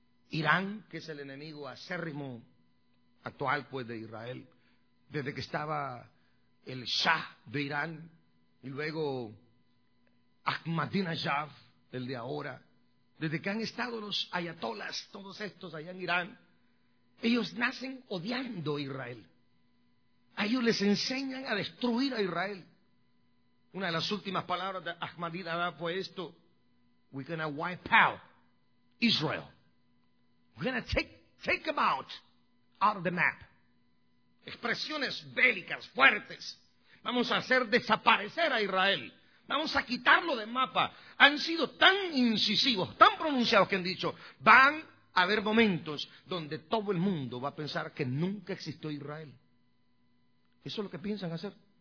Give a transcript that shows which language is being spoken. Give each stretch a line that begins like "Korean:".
Spanish: Irán, que es el enemigo acérrimo actual, pues, de Israel, desde que estaba el Shah de Irán, y luego Ahmadinejad, el de ahora, desde que han estado los ayatolás, todos estos allá en Irán, ellos nacen odiando a Israel. A ellos les enseñan a destruir a Israel. Una de las últimas palabras de Ahmadinejad fue esto:
English: we're going to wipe out Israel. We're going to take them out of the map.
Spanish: Expresiones bélicas, fuertes. Vamos a hacer desaparecer a Israel. Vamos a quitarlo del mapa. Han sido tan incisivos, tan pronunciados, que han dicho, van a haber momentos donde todo el mundo va a pensar que nunca existió Israel. Eso es lo que piensan hacer.